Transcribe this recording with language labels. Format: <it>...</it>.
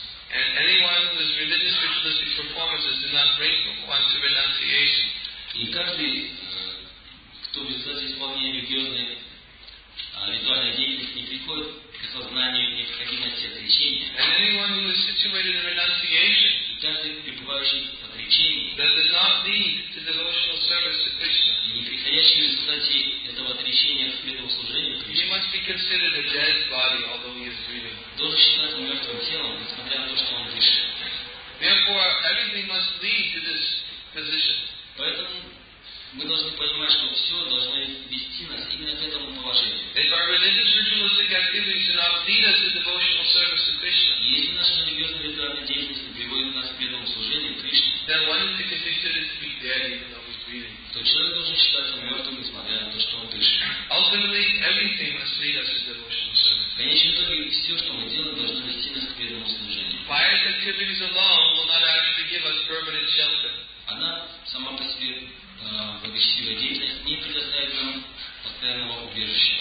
<en>And anyone whose religious ritualistic performances do not bring one to renunciation.</en> <ru>И каждый, кто в результате исполнения религиозной ритуальной деятельности не приходит к осознанию необходимости отречения.</ru> <en>And anyone who is situated in renunciation.</en> <ru>И каждый, пребывающий в отречении.</ru> <en>That does not lead to devotional service to Krishna.</en> <ru>И не приходящий в результате этого отречения к преданному служению Кришне.</ru> <en>He must be considered a dead body, although he is breathing.</en> <ru>Должен считаться мертвым телом, несмотря на то, что он дышит.</ru> <en>Therefore, everything must lead to this position.</en> <ru>Поэтому мы должны понимать, что все должно вести нас именно к этому положению.</ru> <en>If our religious ritualistic activities do not lead us to devotional service to Krishna,</en> <ru>если наша религиозная ритуальная деятельность не приводит нас к преданному служению Кришне,</ru> <en>then one is considered to be dead, even though he's breathing.</en> <ru>То человек должен считаться мертвым, несмотря на то, что он дышит.</ru> <en>Ultimately, everything must lead us to devotional service.</en> <ru>В конечном итоге, все, что мы делаем, должно вести нас к преданному служению.</ru> <en>Pious activities alone will not actually give us permanent shelter.</en> <ru>Она сама по себе, благочестивая деятельность, не предоставит нам постоянного убежища.</ru>